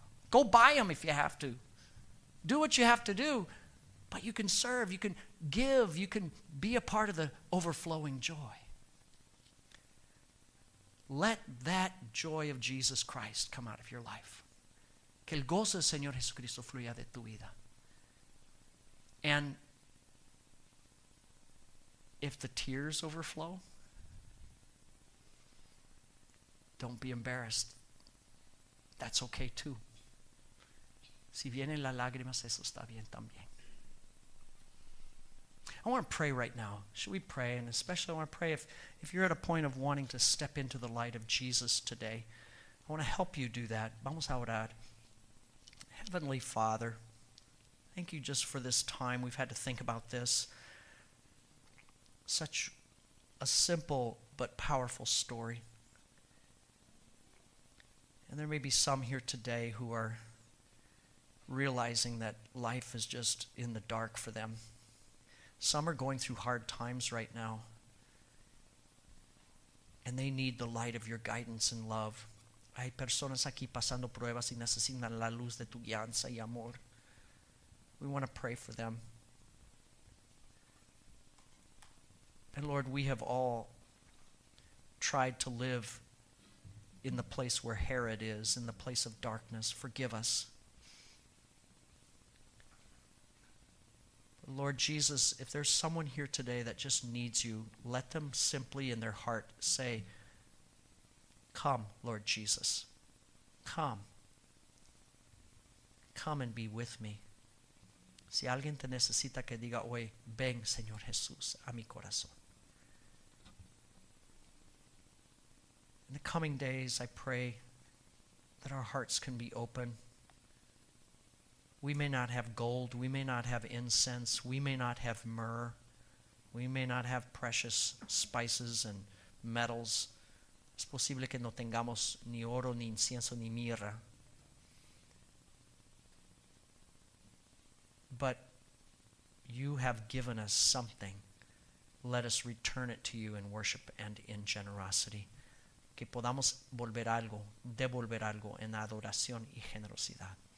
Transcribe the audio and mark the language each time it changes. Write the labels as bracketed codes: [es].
[en] Go buy them if you have to. Do what you have to do. But you can serve, you can give, you can be a part of the overflowing joy. Let that joy of Jesus Christ come out of your life. [es] Que el gozo del Señor Jesucristo fluya de tu vida. [en] And if the tears overflow, don't be embarrassed. That's okay too. [es] Si vienen las lágrimas, eso está bien también. [en] I want to pray right now. Should we pray? And especially I want to pray if you're at a point of wanting to step into the light of Jesus today. I want to help you do that. [es] Vamos a orar. [en] Heavenly Father, thank you just for this time we've had to think about this. Such a simple but powerful story. And there may be some here today who are realizing that life is just in the dark for them. Some are going through hard times right now, and they need the light of your guidance and love. [es] Hay personas aquí pasando pruebas y necesitan la luz de tu guianza y amor. [en] We want to pray for them. And Lord, we have all tried to live in the place where Herod is, in the place of darkness. Forgive us. Lord Jesus, if there's someone here today that just needs you, let them simply in their heart say, come, Lord Jesus, come. Come and be with me. [es] Si alguien te necesita, que diga hoy, ven, Señor Jesús, a mi corazón. [en] In the coming days, I pray that our hearts can be open. We may not have gold, we may not have incense, we may not have myrrh, we may not have precious spices and metals. [es] Es posible que no tengamos ni oro, ni incienso, ni mirra. [en] But you have given us something. Let us return it to you in worship and in generosity. [es] Que podamos volver algo, devolver algo en adoración y generosidad.